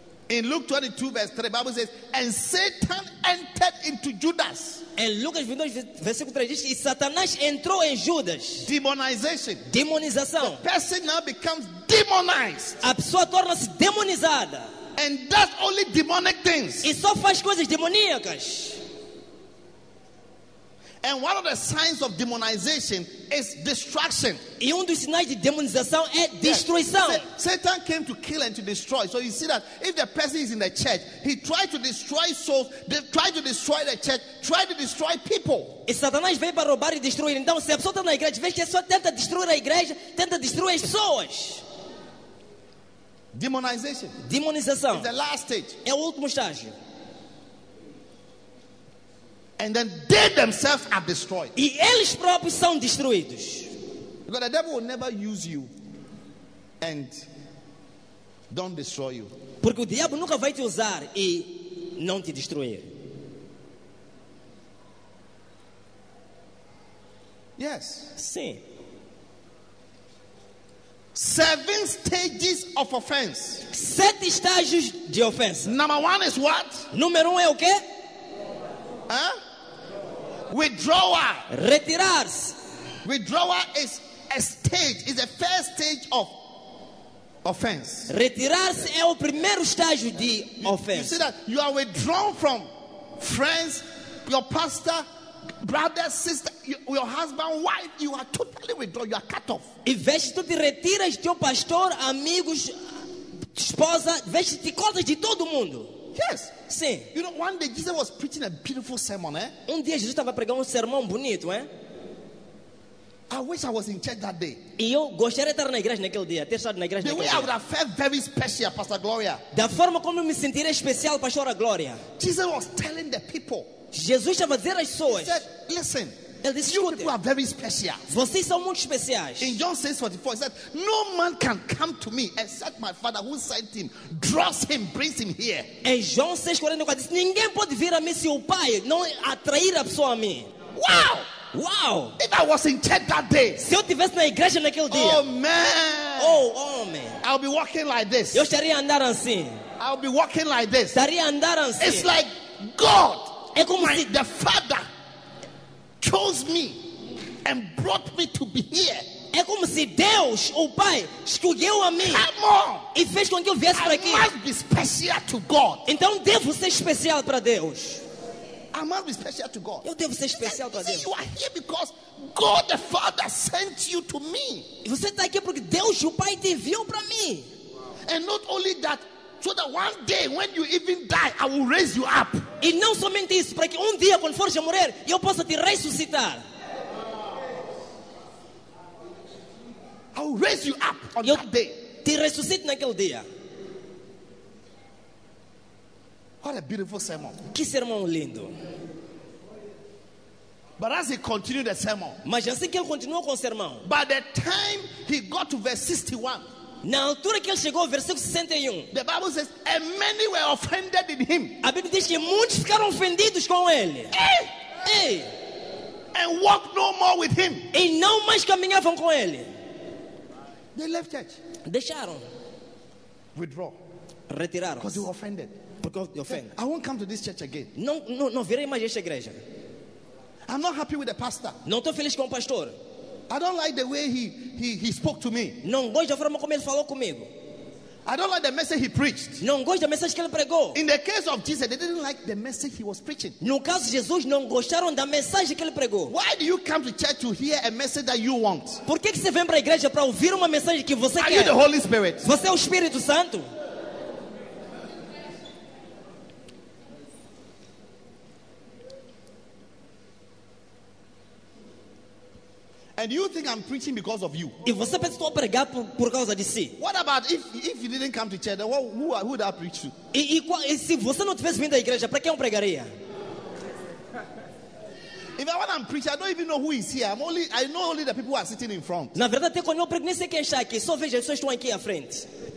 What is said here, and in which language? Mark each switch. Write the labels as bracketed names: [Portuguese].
[English] In Luke 22 verse 3, the Bible says, and Satan entered into Judas. [Portuguese] Em Lucas 22 versículo 3 diz que Satanás entrou em Judas. [English] Demonization. [Portuguese] Demonização. [English] The person now becomes demonized. [Portuguese] A pessoa torna-se demonizada. [English] And does only demonic things. [Portuguese] E só faz coisas demoníacas. [English] And one of the signs of demonization is destruction. [Portuguese] E um dos sinais de demonização é destruição. [English] Yes. Satan came to kill and to destroy. So you see that if the person is in the church, he tried to destroy souls, they tried to destroy the church, tried to destroy people. [Portuguese] E Satanás veio para roubar e destruir. Então se a pessoa está na igreja, vê que só tenta destruir a igreja, tenta destruir as pessoas. [English] Demonization. [Portuguese] Demonização. [English] It's the last stage. [Portuguese] É o último estágio. [English] And then they themselves are destroyed. [Portuguese] E eles próprios são destruídos. [English] Because the devil will never use you and don't destroy you. [Portuguese] Porque o diabo nunca vai te usar e não te destruir. [English] Yes. [Portuguese] Sim. [English] Seven stages of offense. [Portuguese] Sete estágios de ofensa. [English] Number one is what? [Portuguese] Número um é o quê? [English] Hã? Withdrawal. [Portuguese] Retirar-se. [English] Withdrawal is a stage, is the first stage of offense. [Portuguese] Retirar-se é o primeiro estágio de ofensa. [English] You see that you are withdrawn from friends, your pastor, brother, sister, your husband, wife, you are totally withdrawn, you are cut off. [Portuguese] E vês tu te retiras de teu pastor, amigos, esposa, vês te cortas de todo mundo. [English] Yes. [Portuguese] Sim. [English] You know, one day Jesus was preaching a beautiful sermon, eh? [Portuguese] Um dia Jesus estava pregando um sermão bonito, eh? [English] I wish I was in church that day. [Portuguese] E eu gostaria de estar na igreja naquele dia, ter estado na igreja naquele dia. [English] The way I would have felt very special, Pastor Gloria. [Portuguese] Da forma como eu me sentiria especial, Pastora Gloria. [English] Jesus was telling the people. [Portuguese] Jesus estava dizendo às pessoas. [English] He said, listen. [Portuguese] Ele disse, [English] you people are very special. [Portuguese] Vocês são muito especiais. [English] In John 6:44, he said, no man can come to me except my father who sent him, draws him, brings him here. [Portuguese] Em João 6:44, disse, ninguém pode vir a mim se o Pai não atrair a pessoa a mim. Wow! Wow! [English] If I was in church that day. [Portuguese] Se eu estivesse na igreja naquele dia. [English] Oh, man! Oh, man! I'll be walking like this. [Portuguese] Eu estaria a andar assim. [English] I'll be walking like this. [Portuguese] Estaria a andar assim. [English] It's like God, [Portuguese] é como [English] my, [Portuguese] se... [English] the Father, chose me and brought me to be here. [Portuguese] É como se Deus, o Pai, escolheu a mim. [English] Come on. [Portuguese] E fez com que eu viesse para aqui. [English] I must be special to God. [Portuguese] Então devo ser especial para Deus. [English] I must be special to God. [Portuguese] Eu devo ser especial para Deus. [English] See, you are here because God the Father sent you to me. [Portuguese] E você está aqui porque Deus, o Pai, te enviou para mim. [English] And not only that, so that one day when you even die, I will raise you up. [Portuguese] E não somente isso, para que dia quando fores a morrer, eu possa te ressuscitar. [English] I will raise you up on [Portuguese] eu that day. Te ressuscito naquele dia. [English] What a beautiful sermon. [Portuguese] Que sermão lindo. [English] But as he continued the sermon. [Portuguese] Mas assim que ele continuou com o sermão. [English] By the time he got to verse 61. [Portuguese] Na altura que ele chegou, versículo 61. [English] The Bible says, and many were offended in him. [Portuguese] A Bíblia diz que muitos ficaram ofendidos com ele. [English] Hey! And walked no more with him. [Portuguese] E não mais caminhavam com ele. [English] They left church. [Portuguese] Deixaram. [English] Withdraw. [Portuguese] Retiraram. [English] Because they were offended. [Portuguese] Porque [English] they offended. I won't come to this church again. [Portuguese] Não virei mais esta igreja. [English] I'm not happy with the pastor. [Portuguese] Não estou feliz com o pastor. [English] I don't like the way he spoke to me. [Portuguese] Não gosto da forma como ele falou comigo. [English] I don't like the message he preached. [Portuguese] Não gosto da mensagem que ele pregou. [English] In the case of Jesus, they didn't like the message he was preaching. [Portuguese] No caso de Jesus, não gostaram da mensagem que ele pregou. [English] Why do you come to church to hear a message that you want? [Portuguese] Por que você vem para a igreja para ouvir uma mensagem que você [English] Are [Portuguese] quer? [English] Are you the Holy Spirit? [Portuguese] Você é o Espírito Santo? [English] And you think I'm preaching because of you? [Portuguese] E você pensa que estou a pregar por causa de si? [English] What about if you didn't come to church? Then who would I preach to? [Portuguese] E se você não tivesse vindo à igreja, para quem eu pregaria? [English] If I want to preach, I don't even know who is here. I know only the people who are sitting in front. [Portuguese] Na verdade, quando eu prego, nem sei quem está aqui. Só vejo as pessoas que estão aqui à frente.